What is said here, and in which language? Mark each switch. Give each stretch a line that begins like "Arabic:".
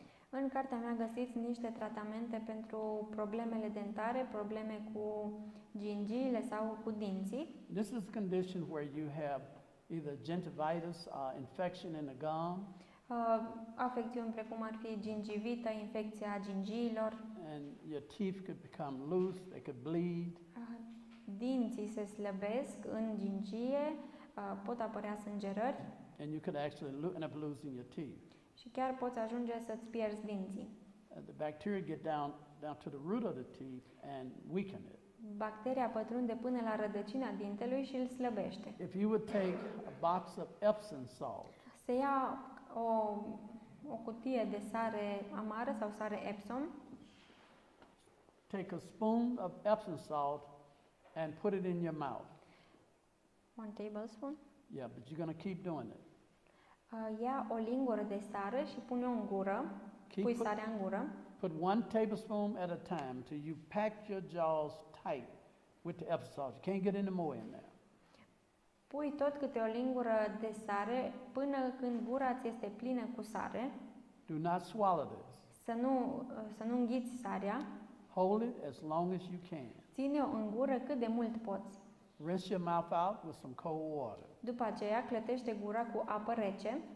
Romanian: În cartea mea găsiți niște tratamente pentru problemele dentare, probleme cu gingiile sau cu dinții.
English: This is a condition where you have either gingivitis, infection in the gum.
Romanian: Afecțiuni precum ar fi gingivită, infecția gingiilor.
English: and your teeth could become loose, they could bleed.
Romanian: Dinții se slăbesc în gingie, pot apărea sângerări.
English: And you could actually end up losing your teeth.
Romanian: Și chiar poți ajunge să-ți pierzi dinții.
English: The bacteria get down to the root of the teeth and weaken it.
Romanian: Bacteria pătrunde până la rădăcina dintelui și îl slăbește.
English: If you would take a box of Epsom salt.
Romanian: Se ia o cutie de sare amară sau sare Epsom.
English: Take a spoon of Epsom salt and put it in your mouth. One tablespoon? Yeah, but you're going to keep doing it.
Romanian: Ia o lingură de sare și pune-o în gură. Pui sarea în gură.
English: Put one tablespoon at a time till you pack your jaws tight with the Epsom salt. You can't get any more in there.
Romanian: Pui tot câte o lingură de sare până când gura ți este plină cu sare.
English: Do not swallow this.
Romanian: Să nu înghiți sarea.
English: Hold it as long as you can.
Romanian: Ține-o în gură cât de mult poți.
English: Rinse your mouth out with some cold water.
Romanian: După aceea, clătește gura cu apă rece.